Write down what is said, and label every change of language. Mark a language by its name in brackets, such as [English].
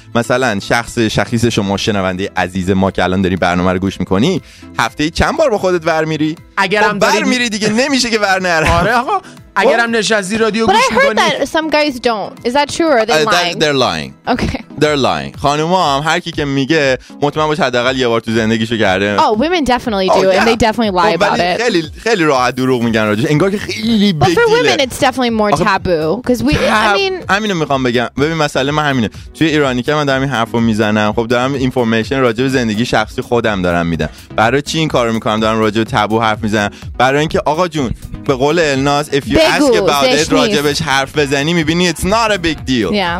[Persian] مثلا شخص شما شنونده عزیز ما که الان داری برنامه رو گوش میکنی، هفته چند بار با خودت ور میری؟ اگرم ور میری دیگه نمیشه که ور نره. آره آقا اگرم نشستی رادیو گوش می‌کنی. [English] But I heard that some guys don't. Is that true or are they lying? They're lying. Okay. They're lying. [Persian] خانوما هم هر کی که میگه مطمئن باش حداقل یه بار تو زندگیشو کرده. [English] Oh, women definitely do and they definitely lie about it. [Persian] خیلی خیلی راحت دروغ میگن راجع. انگار که خیلی بگیره. [English] But for women it's definitely more taboo because we [Persian] همینو میخوام بگم. ببین مسئله من همینه. توی ایرانی که من دارم این حرفو میزنم، خب دارم اینفورمیشن راجع به زندگی شخصی خودم دارم میدم. برای چی این کارو میکنم؟ دارم راجع به تابو حرف میزنم. برای اینکه آقا جون به قول الناس [English] if you ask about it [Persian] راجبش حرف بزنی میبینی [English] it's not a big deal.